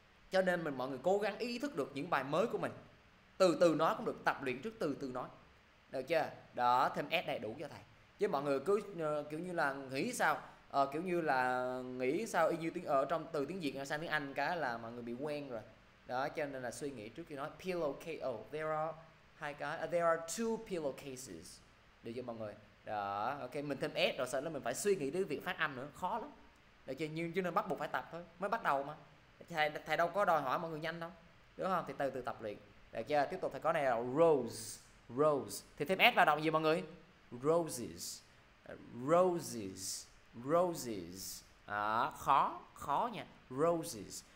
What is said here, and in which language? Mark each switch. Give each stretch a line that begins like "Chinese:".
Vietnamese: Cho nên mình mọi người cố gắng ý thức được những bài mới của mình. Từ từ nói cũng được, tập luyện trước từ từ nói. Được chưa? Đó, thêm S đầy đủ cho thầy. Chứ mọi người cứ kiểu như là nghĩ sao kiểu như là nghĩ sao y như tiếng ở trong từ tiếng Việt sang tiếng Anh cái là mọi người bị quen rồi. Đó, cho nên là suy nghĩ trước khi nói pillowcase.
English: Oh, there are
Vietnamese: hai cái
English: there are two pillowcases.
Vietnamese: Được chưa mọi người? Đó, ok, mình thêm S rồi sợ là mình phải suy nghĩ đến việc phát âm nữa, khó lắm. Được chưa? Nhưng cho nên bắt buộc phải tập thôi, mới bắt đầu mà. Thầy đâu có đòi hỏi mọi người nhanh đâu. Đúng không? Thì từ từ tập luyện. Được chưa? Tiếp tục thầy có này là rose. Rose. Thì thêm S vào đọc gì mọi người?
English: Roses. Roses. Roses.
Vietnamese: À, khó. Khó nha.
English: Roses.